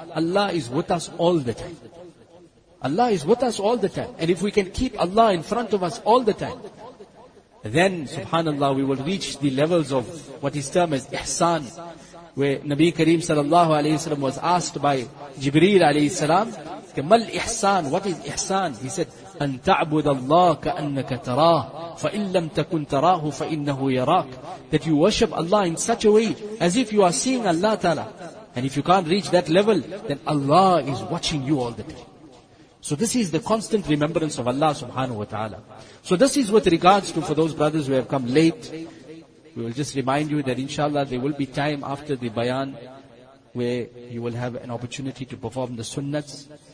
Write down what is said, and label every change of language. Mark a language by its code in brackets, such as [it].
[en] Allah is with us all the time. Allah is with us all the time. And if we can keep Allah in front of us all the time, then subhanallah, we will reach the levels of what is termed as ihsan. Where Nabi Kareem sallallahu alayhi wa sallam was asked by Jibreel alayhi salam, Kamal ihsan, what is ihsan? [ar] He said, أن تعبد الله كأنك تراه فإن لم تكن تراه فإنه يراك. [en] That you worship Allah in such a way as if you are seeing Allah Ta'ala. And if you can't reach that level, then Allah is watching you all the time. So this is the constant remembrance of Allah subhanahu wa ta'ala. So this is with regards to, for those brothers who have come late, we will just remind you that inshallah there will be time after the bayan where you will have an opportunity to perform the sunnats.